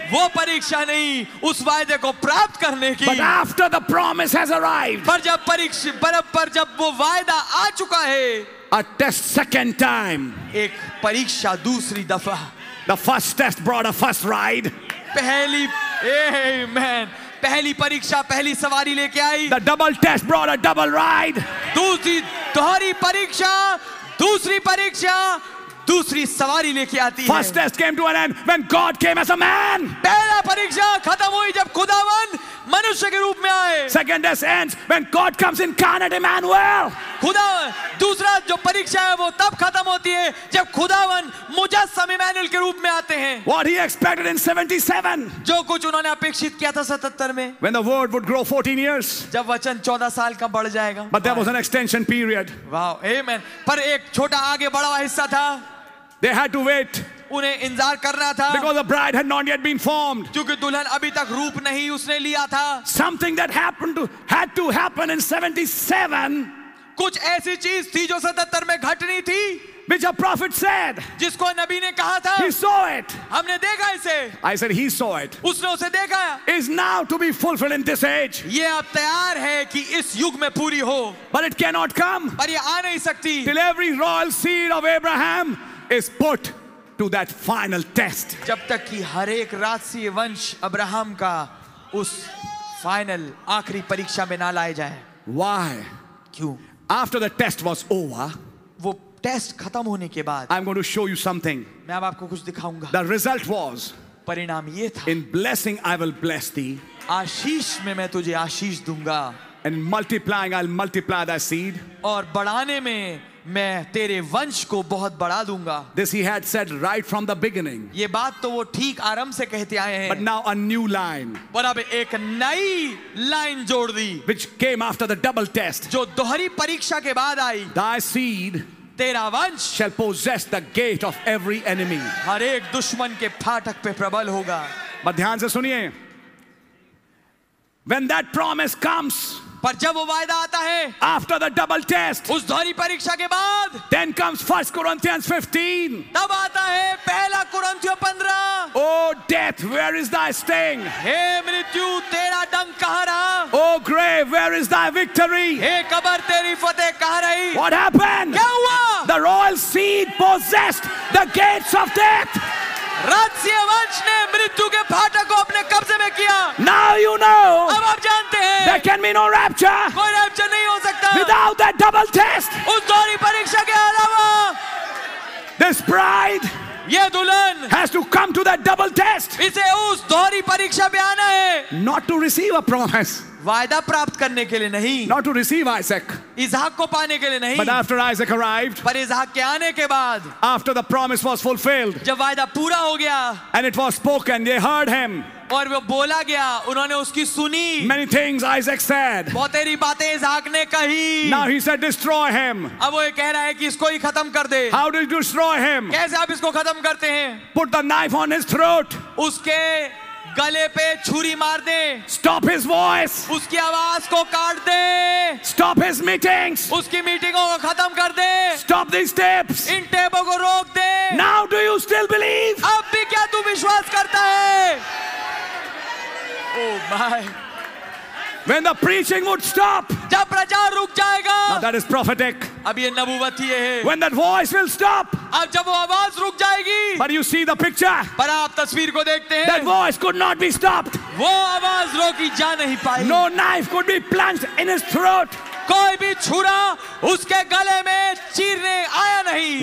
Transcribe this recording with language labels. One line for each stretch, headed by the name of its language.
Hindi: वो परीक्षा नहीं उस वायदे को प्राप्त करने की.
English: But after the promise has arrived.
Hindi: पर जब परीक्षा पर जब वो वायदा आ चुका है.
English: A test second time.
Hindi: एक परीक्षा दूसरी दफा.
English: The first test brought a first ride.
Hindi: पहली amen. पहली परीक्षा पहली सवारी लेके आई.
English: The double test brought a double ride.
Hindi: दूसरी दोहरी परीक्षा दूसरी परीक्षा. दूसरी सवारी लेके आती है।
English: First test came to an end when God came as a man.
Hindi: पहला परीक्षा खत्म हुई जब खुदावंद मनुष्य के रूप में आए।
English: Second test ends when God comes incarnate Emmanuel.
Hindi: खुदा दूसरा जो परीक्षा है वो तब खत्म होती है जब खुदावंद मुजस्सम इमैनुएल के रूप में आते हैं।
English: What he expected in 77?
Hindi: जो कुछ उन्होंने अपेक्षित किया था 77 में।
English: When the word would grow 14 years.
Hindi: जब वचन 14 साल का बढ़ जाएगा।
English: But there was an extension period. Wow, amen.
Hindi: पर एक छोटा आगे बढ़ा हुआ हिस्सा था।
English: They had to wait.
Hindi: उन्हें इंतजार करना था
English: because the bride had not yet been formed.
Hindi: क्योंकि दुल्हन अभी तक रूप नहीं उसने लिया था।
English: Something that happened to had to happen in 77.
Hindi: कुछ ऐसी चीज थी जो 77 में घटनी थी।
English: Which a prophet said.
Hindi: जिसको नबी ने कहा था।
English: He saw it.
Hindi: हमने देखा इसे।
English: I said he saw it.
Hindi: उसने उसे देखा।
English: Is now to be fulfilled in this age.
Hindi: ये अब तैयार है कि इस युग में पूरी हो।
English: But it cannot come.
Hindi: पर ये आ नहीं सकती।
English: Till every royal seed of Abraham is put to that final test.
Hindi: जब तक कि हर एक राजसी वंश अब्राहम का उस final आखिरी परीक्षा में ना लाए जाए।
English: Why?
Hindi: क्यों?
English: After the test was over.
Hindi: वो test खत्म होने के बाद.
English: I'm going to show you something.
Hindi: मैं अब आपको कुछ दिखाऊंगा.
English: The result was.
Hindi: परिणाम ये था.
English: In blessing I will bless thee.
Hindi: आशीष में मैं तुझे आशीष दूंगा.
English: And multiplying I'll multiply thy seed.
Hindi: और बढ़ाने में मैं तेरे वंश को बहुत बढ़ा दूंगा
English: This he had said right from the beginning.
Hindi: ये बात तो वो ठीक आरंभ से कहते आए हैं
English: But now a new line.
Hindi: पर अब एक नई लाइन जोड़ दी
English: Which came after the double test.
Hindi: जो दोहरी परीक्षा के बाद आई
English: Thy seed
Hindi: तेरा वंश
English: shall possess the gate of every enemy.
Hindi: हर एक दुश्मन के फाटक पे प्रबल होगा
English: But
Hindi: ध्यान से सुनिए
English: When that promise comes
Hindi: पर जब वो वायदा आता है
English: After the double test,
Hindi: उस दोहरी परीक्षा के बाद
English: then comes first Corinthians 15,
Hindi: तब आता है पहला कुरिन्थियों 15
English: O death where is thy sting
Hindi: हे मृत्यु तेरा डंक कहाँ रहा
English: O grave where is thy victory
Hindi: हे कब्र तेरी फतेह कहाँ रही
English: what happened
Hindi: क्या हुआ
English: The royal seed possessed the gates of death.
Hindi: राजसिंहवंश ने मृत्यु के फाटक को अपने कब्जे में किया.
English: Now you know.
Hindi: अब आप जानते हैं.
English: There can be no rapture.
Hindi: कोई रैप्चर नहीं हो सकता.
English: Without that double test.
Hindi: उस दोहरी परीक्षा के अलावा.
English: This bride.
Hindi: ये दुल्हन.
English: Has to come to that double test.
Hindi: इसे उस दोहरी परीक्षा पे आना है.
English: Not to receive a promise.
Hindi: वायदा प्राप्त करने के लिए नहीं.
English: Not to receive Isaac.
Hindi: इसहाक को पाने के लिए नहीं.
English: But after Isaac arrived.
Hindi: पर इसहाक के आने के बाद.
English: After the promise was fulfilled.
Hindi: जब वायदा पूरा हो गया.
English: And it was spoken, they heard him.
Hindi: और वो बोला गया, उन्होंने उसकी सुनी.
English: Many things Isaac said.
Hindi: बहुत तेरी बातें इसहाक ने कही.
English: Now he said, destroy him.
Hindi: अब वो ये कह रहा है कि इसको ही खत्म कर दे.
English: How did you destroy him?
Hindi: कैसे आप इसको खत्म करते हैं?
English: Put the knife on his throat.
Hindi: उसके गले पे छुरी मार दे.
English: Stop his voice.
Hindi: उसकी आवाज को काट दे.
English: Stop his meetings.
Hindi: उसकी मीटिंगों को खत्म कर दे.
English: Stop these steps.
Hindi: इन टेपों को रोक दे.
English: Now do you still believe?
Hindi: अब भी क्या तू विश्वास करता है?
English: Oh my. When the preaching would stop.
Hindi: जब प्रचार रुक जाएगा.
English: Now that is prophetic.
Hindi: अब ये नबूवती है.
English: When that voice will stop.
Hindi: अब जब वो आवाज रुक जाएगी.
English: But you see the picture.
Hindi: पर आप तस्वीर को देखते हैं.
English: That voice could not be stopped.
Hindi: वो आवाज रोकी जा नहीं पाई.
English: No knife could be plunged in his throat.
Hindi: कोई भी छुरा उसके गले में चीरने आया नहीं.